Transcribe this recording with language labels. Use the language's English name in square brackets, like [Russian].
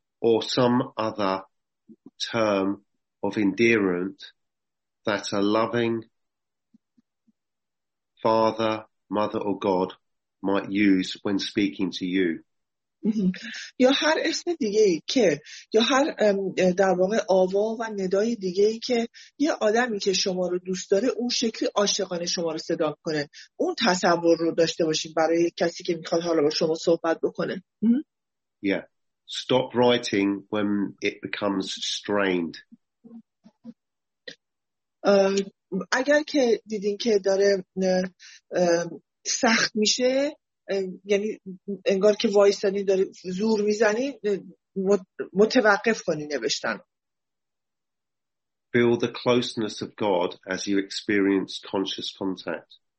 [English] Or some other term of endearment that a loving father, mother or God might use when speaking to you. [Persian] یا هر اسم دیگه ای که یا هر در واقع آوا و ندای دیگه ای که یه آدمی که شما رو دوست داره اون شکلی عاشقانه شما رو صدا کنه، اون تصور رو داشته باشید برای کسی که میخواد حالا با شما صحبت بکنه. [English] Yeah. Stop writing when it becomes strained. [Persian] اگر که دیدین که داره سخت میشه، یعنی انگار که وایسادین داره زور میزنین، متوقف کنین نوشتن. [English] Feel the closeness of God as you experience conscious contact.